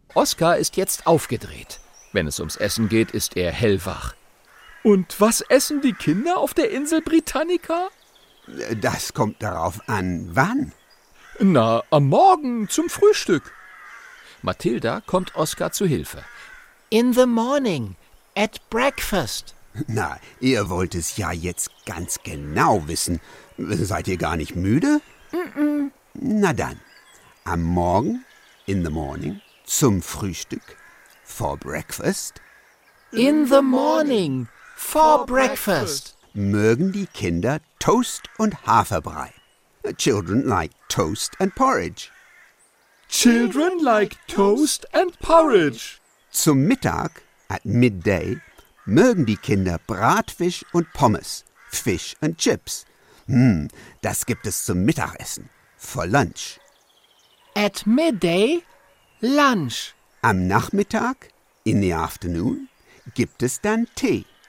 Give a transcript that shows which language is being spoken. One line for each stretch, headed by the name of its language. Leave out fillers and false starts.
German: Oscar ist jetzt aufgedreht. Wenn es ums Essen geht, ist er hellwach. Und was essen die Kinder auf der Insel Britannica? Das kommt darauf an, wann? Na, am Morgen zum Frühstück. Mathilda kommt Oskar zu Hilfe.
English: In the morning, at breakfast.
German: Na, ihr wollt es ja jetzt ganz genau wissen. Seid ihr gar nicht müde? Mm-mm. Na dann, am Morgen,
English: in the morning,
German: zum Frühstück,
English: for breakfast. In the morning. For breakfast.
German: Mögen die Kinder Toast und Haferbrei.
English: Children like toast and porridge. Children like toast and porridge.
German: Zum Mittag,
English: at midday,
German: mögen die Kinder Bratfisch und Pommes, Fish and chips. Das gibt es zum Mittagessen,
English: for lunch. At midday, lunch.
German: Am Nachmittag,
English: in the afternoon,
German: gibt es dann Tee.